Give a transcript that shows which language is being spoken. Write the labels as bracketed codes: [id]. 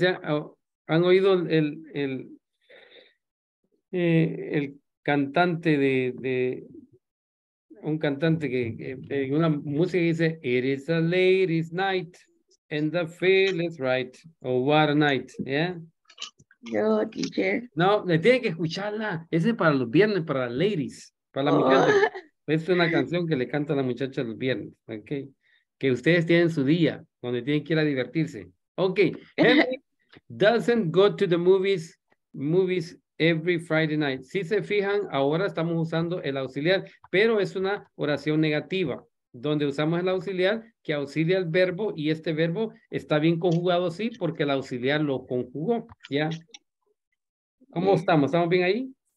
[es] Yes, ya, ¿han oído el cantante de un cantante que una música dice [en] "It is a ladies' night and the feel is right" [es] o [en] "What a night"? Yeah. [es] Yo, teacher. No, le tiene que escucharla. Ese es para los viernes, para las ladies, para la muchacha. Es una canción que le canta a la muchacha los viernes, ¿ok? Que ustedes tienen su día, donde tienen que ir a divertirse. [en] Okay. Doesn't go to the movies every Friday night. [es] Si se fijan, ahora estamos usando el auxiliar, pero es una oración negativa, donde usamos el auxiliar que auxilia el verbo, y este verbo está bien conjugado, sí, porque el auxiliar lo conjugó, ¿ya? ¿Cómo estamos? ¿Estamos bien ahí?